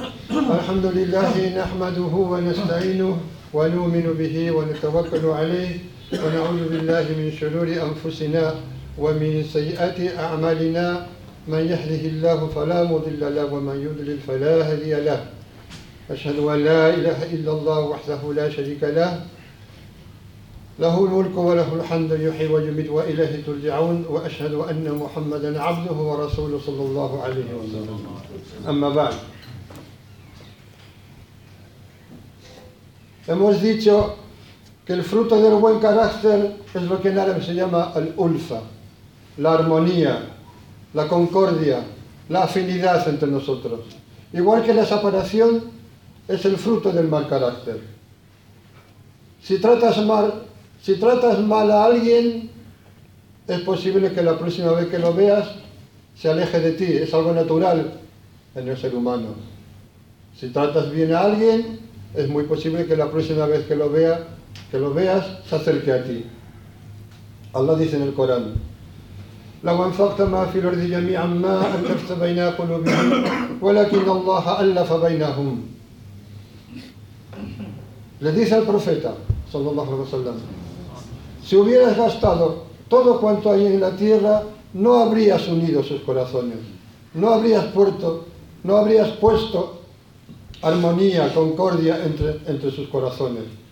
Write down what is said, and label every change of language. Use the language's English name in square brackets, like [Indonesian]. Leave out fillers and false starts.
[Arabic] الحمد لله نحمده ونستعينه ونؤمن به ونتوكل عليه ونعوذ بالله من شرور أنفسنا ومن سيئات أعمالنا من يهده الله فلا مضل له ومن يضلل فلا هادي له أشهد أن لا إله إلا الله وحده لا شريك له له الملك وله الحمد يحيي ويميت وإليه ترجعون وأشهد أن محمدا عبده ورسوله صلى الله عليه وسلم أما بعد. [Spanish] Hemos dicho que el fruto del buen carácter es lo que en árabe se llama el ulfa, la armonía, la concordia, la afinidad entre nosotros. Igual que la separación es el fruto del mal carácter. Si tratas mal a alguien, es posible que la próxima vez que lo veas se aleje de ti. Es algo natural en el ser humano. Si tratas bien a alguien, es muy posible que la próxima vez que lo veas, se acerque a ti. Allah dice en el Corán: [Arabic] لو أنفقت ما في الأرض جميعا ما ألفت بين قلوبهم ولكن الله ألف بينهم. [Spanish] Le dice al profeta, [Arabic] sallallahu alaihi wasallam: [Spanish] si hubieras gastado todo cuanto hay en la tierra, no habrías unido sus corazones, no habrías puesto armonía, concordia entre sus corazones.